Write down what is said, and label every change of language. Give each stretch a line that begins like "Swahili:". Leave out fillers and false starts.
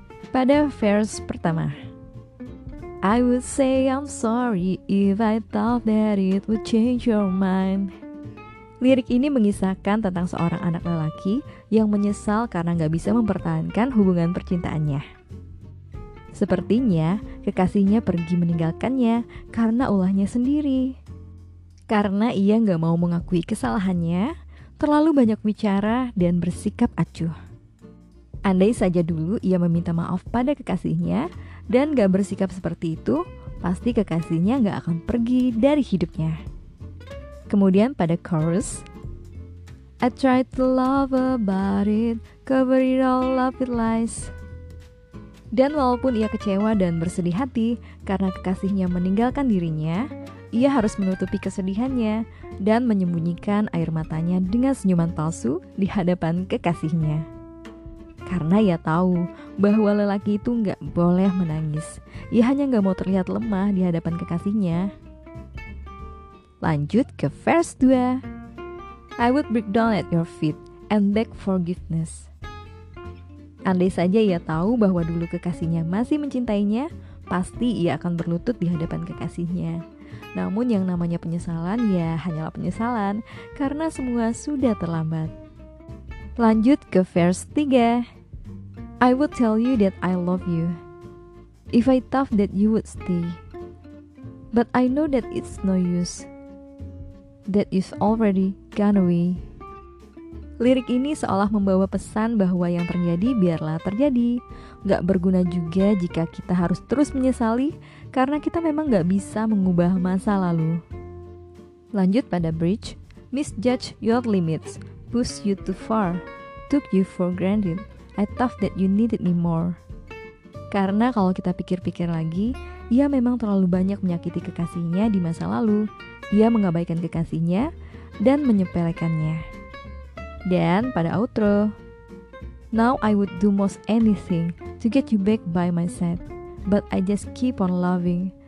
Indonesian: Pada verse pertama,
English: I would say I'm sorry if I thought that it would change your mind.
Indonesian: Lirik ini mengisahkan tentang seorang anak lelaki yang menyesal karena gak bisa mempertahankan hubungan percintaannya. Sepertinya, kekasihnya pergi meninggalkannya karena ulahnya sendiri. Karena ia gak mau mengakui kesalahannya, terlalu banyak bicara dan bersikap acuh. Andai saja dulu ia meminta maaf pada kekasihnya dan gak bersikap seperti itu, pasti kekasihnya gak akan pergi dari hidupnya. Kemudian pada chorus,
English: I tried to love about it, cover it all up with lies.
Indonesian: Dan walaupun ia kecewa dan bersedih hati karena kekasihnya meninggalkan dirinya, ia harus menutupi kesedihannya dan menyembunyikan air matanya dengan senyuman palsu di hadapan kekasihnya. Karena ia tahu bahwa lelaki itu gak boleh menangis. Ia hanya gak mau terlihat lemah di hadapan kekasihnya. Lanjut ke verse 2.
English: I would break down at your feet and beg forgiveness.
Indonesian: Andai saja ia tahu bahwa dulu kekasihnya masih mencintainya, pasti ia akan berlutut di hadapan kekasihnya. Namun yang namanya penyesalan ya hanyalah penyesalan, karena semua sudah terlambat. Lanjut ke verse 3.
English: I would tell you that I love you if I thought that you would stay. But I know that it's no use, that you've already gone away.
Indonesian: Lirik ini seolah membawa pesan bahwa yang terjadi biarlah terjadi. Gak berguna juga jika kita harus terus menyesali, karena kita memang gak bisa mengubah masa lalu. Lanjut pada bridge,
English: misjudge your limits, push you too far, took you for granted, I thought that you needed me more.
Indonesian: Karena kalau kita pikir-pikir lagi, ia memang terlalu banyak menyakiti kekasihnya di masa lalu. Ia mengabaikan kekasihnya dan menyepelekannya. Dan pada outro,
English: now I would do most anything to get you back by my side, but I just keep on loving,